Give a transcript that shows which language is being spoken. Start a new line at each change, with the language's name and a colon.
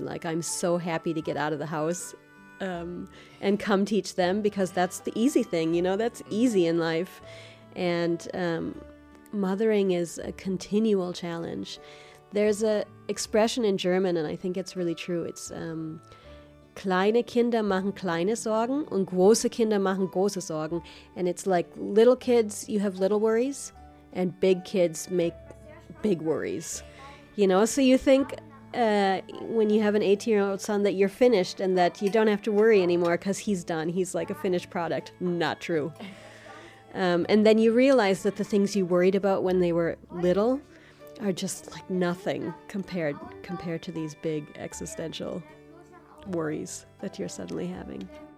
English: Like, I'm so happy to get out of the house and come teach them, because that's the easy thing, you know, that's easy in life. And mothering is a continual challenge. There's a expression in German, and I think it's really true.
German: It's kleine Kinder machen kleine Sorgen und große Kinder machen große Sorgen.
English: And it's like, little kids, you have little worries, and big kids make big worries. You know, so you think when you have an 18-year-old son that you're finished and that you don't have to worry anymore because he's done. He's like a finished product. Not true. And then you realize that the things you worried about when they were little are just like nothing compared to these big existential worries that you're suddenly having.